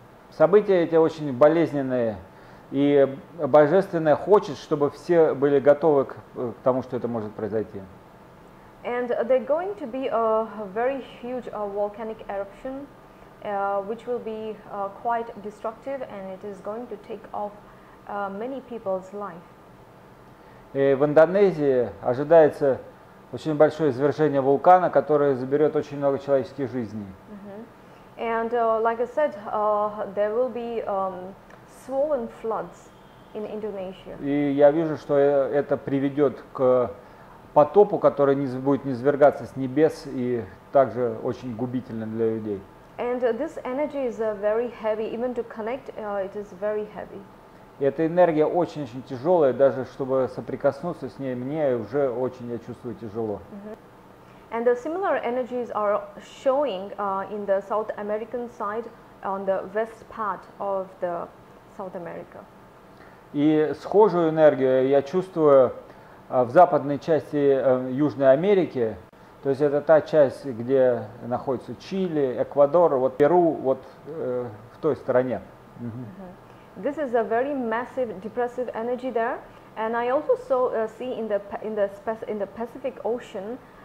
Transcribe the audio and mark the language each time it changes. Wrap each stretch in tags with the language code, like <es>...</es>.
<ru>События эти очень болезненные. И Божественное хочет, чтобы все были готовы к тому, что это может произойти.</ru> <en>And there going to be a very huge volcanic eruption, which will be quite destructive, and it is going to take off many people's life.</en> <ru>И в Индонезии ожидается очень большое извержение вулкана, которое заберет очень много человеческих жизней.</ru> <en>And like I said, there will be swollen floods in Indonesia.</en> <ru>И я вижу, что это приведет к потопу, который будет низвергаться с небес и также очень губительным для людей.</ru> <en>And this energy is very heavy, even to connect, it is very heavy.</en> <ru>И эта энергия очень-очень тяжелая, даже чтобы соприкоснуться с ней, мне уже очень я чувствую тяжело.</ru> <en>And the similar energies are showing in the South American side, on the west part of the South America.</en> <ru>И схожую энергию я чувствую в западной части Южной Америки, то есть это та часть, где находится Чили, Эквадор, вот Перу, вот в той стороне.</ru> <en>This is a very massive depressive energy there, and I also saw see in the Pacific Ocean.</en>